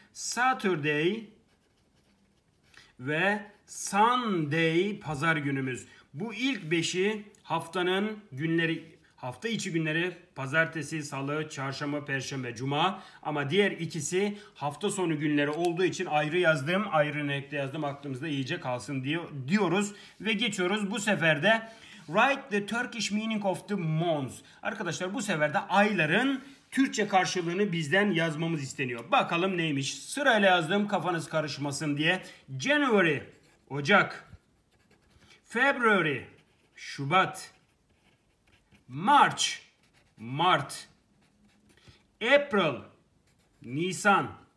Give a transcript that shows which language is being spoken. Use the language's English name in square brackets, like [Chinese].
[Turkish] Saturday ve Sunday pazar günümüz. Bu ilk beşi haftanın günleri, hafta içi günleri pazartesi, salı, çarşamba, perşembe, cuma. Ama diğer ikisi hafta sonu günleri olduğu için ayrı yazdım, ayrı renkte yazdım. Aklımızda iyice kalsın diyoruz ve geçiyoruz. Bu sefer de [English] write the Turkish meaning of the months. [Turkish] Arkadaşlar bu sefer de ayların Türkçe karşılığını bizden yazmamız isteniyor. Bakalım neymiş? Sırayla yazdım kafanız karışmasın diye. January, Ocak. February, Şubat. March, Mart. April, Nisan.